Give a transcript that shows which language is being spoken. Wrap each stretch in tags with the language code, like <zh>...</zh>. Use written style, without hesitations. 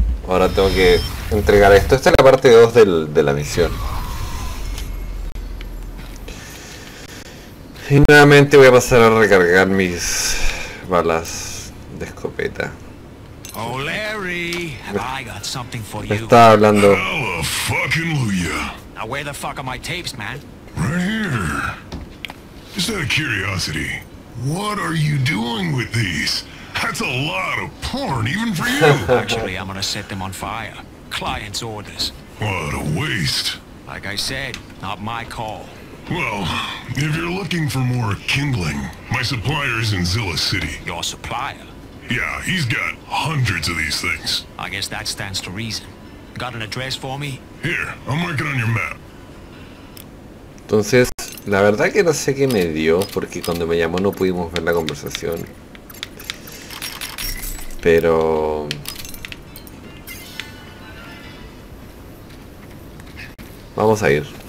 <es>Ahora tengo que entregar esto. Esta es la parte 2 de la misión. Y nuevamente voy a pasar a recargar mis balas de escopeta.</es> <en>Oh, Larry, I got something for you.</en> <es>Estaba hablando.</es> <en>Hallelujah. Now where the fuck are my tapes, man? Right here. Just out of curiosity, what are you doing with these? That's a lot of porn, even for you. Actually, I'm gonna set them on fire. Client's orders. What a waste. Like I said, not my call. Well, if you're looking for more kindling, my supplier's in Zilla City. Your supplier? Yeah, he's got hundreds of these things. I guess that stands to reason. Got an address for me? Here, I'll mark it on your map.</en> <es>Entonces, la verdad que no sé qué me dio, porque cuando me llamó no pudimos ver la conversación. Pero... vamos a ir.</es>